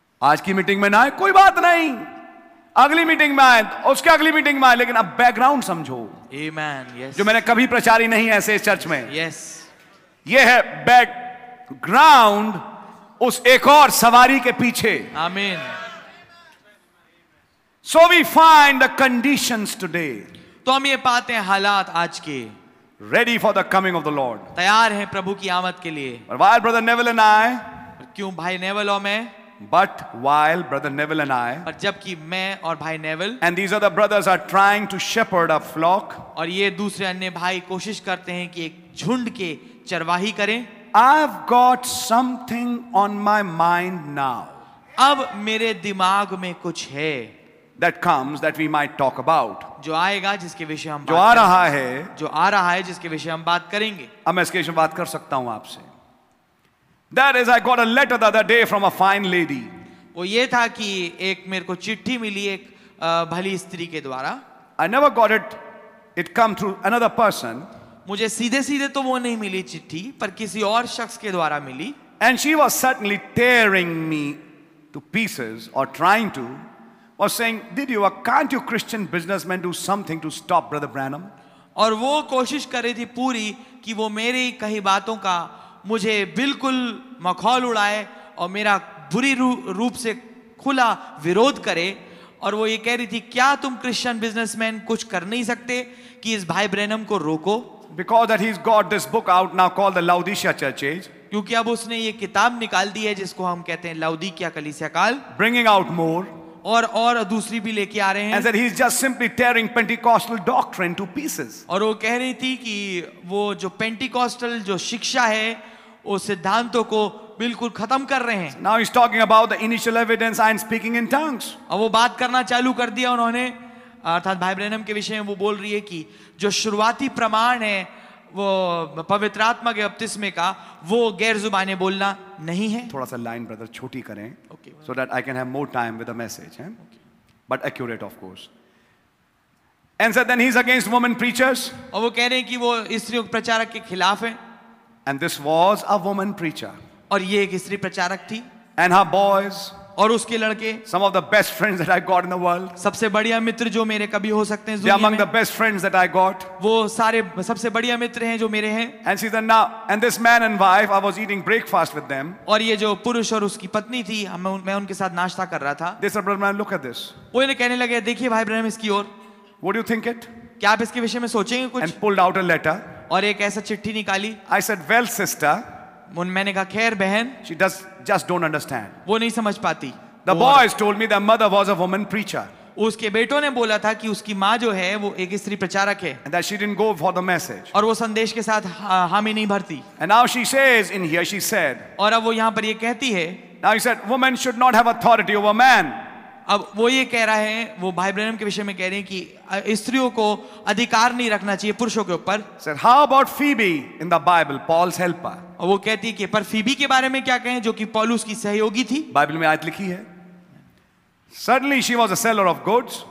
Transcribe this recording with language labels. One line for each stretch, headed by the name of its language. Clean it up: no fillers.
Hindi: आज की मीटिंग में ना आए कोई बात नहीं, अगली मीटिंग में आए, उसके अगली मीटिंग में आए, लेकिन अब बैकग्राउंड समझो.
English: Amen. Yes.
Hindi: जो मैंने कभी प्रचारी नहीं ऐसे इस चर्च में.
English: Yes.
Hindi: ये है बैकग्राउंड उस एक और सवारी के पीछे.
English: Amen. So we find the conditions today.
Hindi: तो हम ये पाते हैं हालात आज के.
English: Ready for the coming of the Lord.
Hindi: तैयार हैं प्रभु की आमद के लिए.
English: But while brother Neville and I.
Hindi: क्यों भाई नेवल और मैं?
English: But while brother Neville and I.
Hindi: पर जबकि मैं और भाई naval.
English: And these other brothers are trying to shepherd a flock.
Hindi: और ये दूसरे अन्य भाई कोशिश करते हैं कि एक झुंड के चरवाही करें.
English: I've got something on my mind now.
Hindi: अब मेरे दिमाग में कुछ है.
English: That comes that we might talk about.
Hindi: जो आएगा जिसके विषय हम जो आ रहा है जो आ रहा है जिसके विषय हम बात करेंगे. अब मैं इसके विषय बात कर सकता हूं आपसे.
English: That is, I got a letter the other day from a fine lady.
Hindi: वो ये था कि एक मेरे को चिट्ठी मिली एक भली स्त्री के द्वारा.
English: I never got it. It come through another person.
Hindi: मुझे सीधे सीधे तो वो नहीं मिली चिट्ठी, पर किसी और शख्स के द्वारा मिली.
English: And she was suddenly tearing me to pieces or trying to. Was saying, did you or can't you Christian businessmen do something to stop Brother Branham?
Hindi: और वो कोशिश कर रही थी पूरी कि वो मेरी कहीं बातों का मुझे बिल्कुल मखौल उड़ाए और मेरा बुरी रूप से खुला विरोध करे. और वो ये कह रही थी क्या तुम
English: Christian businessmen
Hindi: कुछ कर नहीं सकते कि इस भाई ब्रैनम को रोको?
English: Because that he's got this book out now called the Laodicea Churches.
Hindi: क्योंकि अब उसने ये किताब निकाल दी है जिसको हम कहते हैं लाओदिकिया कलीसिया काल.
English: Bringing out more.
Hindi: और दूसरी भी लेके आ रहे हैं.
English: And that he's just simply tearing Pentecostal doctrine to pieces.
Hindi: और वो कह रही थी कि वो जो Pentecostal जो शिक्षा है वो सिद्धांतों को बिल्कुल खत्म कर रहे हैं.
English: Now he's talking about the initial evidence and speaking in tongues.
Hindi: और वो बात करना चालू कर दिया उन्होंने, अर्थात भाई ब्रैनम के विषय में. वो बोल रही है कि जो शुरुआती प्रमाण है वो पवित्र आत्मा के बपतिस्मे का, वो गैर जुबाने बोलना नहीं है. थोड़ा सा लाइन ब्रदर छोटी करें.
English: Okay, so that I can have more time with the message, but accurate of course. And so then he's against women preachers.
Hindi: और वो कह रहे हैं कि वो स्त्रियों के प्रचारक के खिलाफ हैं.
English: And this was a woman preacher.
Hindi: और ये एक स्त्री प्रचारक थी.
English: And her boys.
Hindi: और उसके लड़के.
English: Some of the best friends that I got in the world.
Hindi: सबसे बढ़िया मित्र जो मेरे कभी हो सकते हैं.
English: They are among the best friends that I got.
Hindi: वो सारे सबसे बढ़िया मित्र हैं जो मेरे हैं.
English: And see the now and this man and wife, I was eating breakfast with them.
Hindi: और ये जो पुरुष और उसकी पत्नी थी, मैं उनके साथ नाश्ता कर रहा था.
English: This brother man, look at this.
Hindi: वो इन्हें कहने लगे, देखिए भाई ब्रह्म इसकी ओर.
English: What do you think it?
Hindi: क्या आप इसके विषय में सोचेंगे कुछ?
English: And pulled out a letter.
Hindi: और एक ऐसा चिट्ठी निकाली.
English: I said, well, sister.
Hindi: मैंने कहा खैर बहन.
English: She does just don't understand.
Hindi: वो नहीं समझ पाती.
English: The boys told me their mother was a woman preacher.
Hindi: उसके बेटों ने बोला था कि उसकी माँ जो है वो एक स्त्री प्रचारक है.
English: And that she didn't go for the message.
Hindi: और वो संदेश के साथ हामी नहीं भरती.
English: And now she says in here, she said.
Hindi: और अब वो यहाँ पर ये कहती है.
English: Now he said, woman should not have authority over man.
Hindi: अब वो ये कह रहा है, वो भाई ब्रैनम के विषय में कह रहे हैं कि स्त्रियों को अधिकार नहीं रखना चाहिए पुरुषों के ऊपर.
English: Sir, how about Phoebe in the Bible, Paul's helper.
Hindi: और वो कहती है कि पर फीबी के बारे में क्या कहें जो कि पौलुस की सहयोगी थी. बाइबल में आयत लिखी है.
English: Suddenly she was a seller of goods.